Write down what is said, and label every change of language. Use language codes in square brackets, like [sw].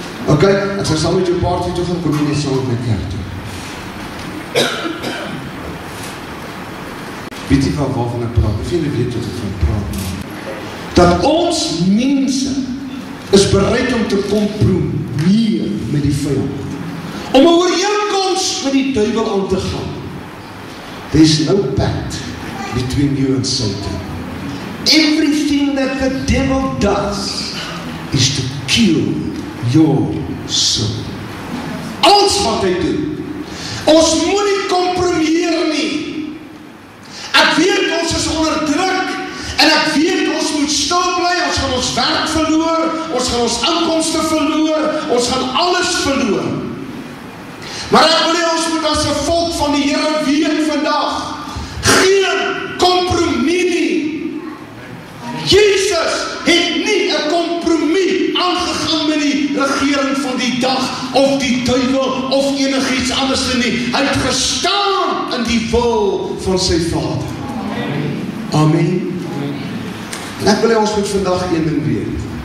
[af] Ok, ek sal saam met jou party toe gaan, kom nie saam met kerk toe. Weet jy van waarvan ek praat? Weet jy weet wat ek van praat? Dat ons mense is bereid om te kompromieer met die vyand. Om 'n ooreenkoms met die duivel aan te gaan. [en] There's no pact between you and Satan. Everything that the devil does is to kill your soul. [af] Alles wat hy doen. Ons moet nie kompromieer nie. Ek weet ons is onder druk en ek weet ons moet stil bly, ons gaan ons werk verloor, ons gaan ons inkomste verloor, ons gaan alles verloor. Maar ek wil hê ons moet as 'n volk van die Here weet vandag, geen kompromie nie. Jesus het nie 'n kompromie aangegaan met die regering van die dag of die duivel of enigiets anders nie. Hy het gestaan in die wil van sy Vader. Amen. En ek wil hê ons moet vandag een ding weet.